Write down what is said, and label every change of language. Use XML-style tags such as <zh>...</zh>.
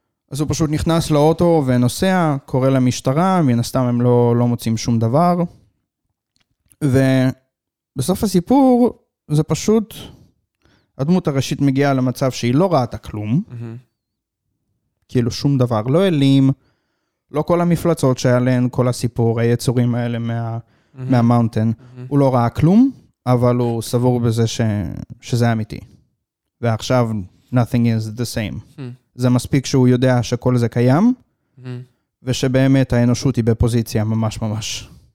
<he>אז הוא פשוט נכנס לאוטו ונוסע, קורא למשטרה, מן הסתם הם לא מוצאים שום דבר, ובסוף הסיפור זה פשוט, הדמות הראשית מגיעה למצב שהיא לא ראתה כלום, כאילו שום דבר, לא אלים, לא כל המפלצות שהיה להן, כל הסיפור, היצורים האלה מהמאונטן, הוא לא ראה כלום, אבל הוא סבור בזה שזה אמיתי.</he> <en>ועכשיו, nothing is the same.</en> <he>זה מספיק שהוא יודע שכל זה קיים, ושבאמת האנושות היא בפוזיציה ממש ממש</he>